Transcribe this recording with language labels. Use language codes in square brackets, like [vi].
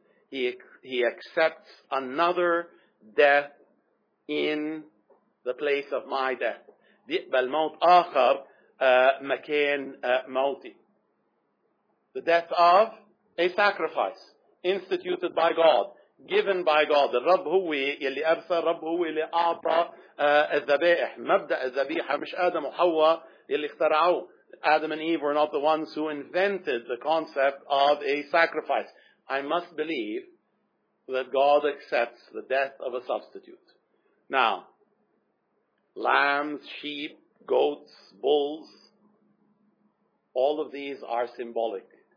[en] He accepts another death in the place of my death. [ar] بالموت آخر مكان موتي. [en] The death of a sacrifice instituted by God, given by God. [ar] الرب هو يلي أرسل, الرب هو يلي أعطى الذبائح. مبدأ الذبيحة مش آدم وحواء يلي اخترعوه. [en] Adam and Eve were not the ones who invented the concept of a sacrifice. I must believe that God accepts the death of a substitute. Now, lambs, sheep, goats, bulls, all of these are symbolic.